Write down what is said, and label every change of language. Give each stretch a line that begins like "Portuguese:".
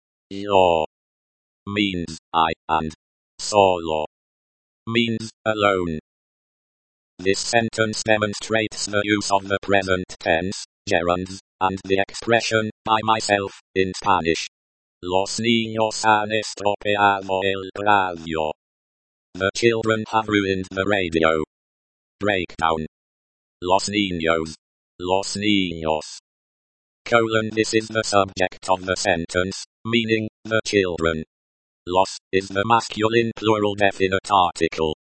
English: Yo. Means, I, and. Solo. Means, alone. This sentence demonstrates the use of the present tense, gerunds, and the expression, by myself, in Spanish.
Spanish: Los niños han estropeado el radio.
English: The children have ruined the radio. Breakdown. Los niños. Los niños. Colon, this is the subject of the sentence, meaning, the children. Los is the masculine plural definite article.